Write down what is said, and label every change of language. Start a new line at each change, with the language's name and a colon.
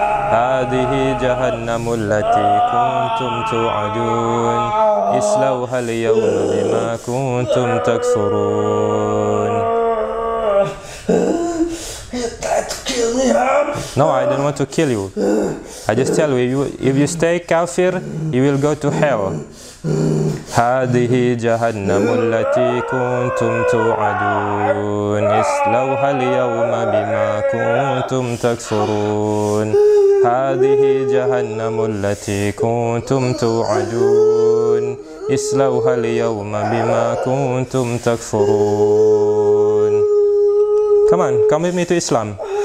Arabic: هذه جهنم التي كنتم توعدون اصلوها اليوم بما كنتم تكفرون
English: No, I don't want to kill you. I just tell you, if you stay kafir, you will go to hell.
Arabic: هذه جهنم التي كنتم توعدون اصلوها اليوم بما كنتم تكفرون هذه جهنم التي كنتم توعدون اصلوها اليوم بما كنتم تكفرون
English: Come on, come with me to Islam.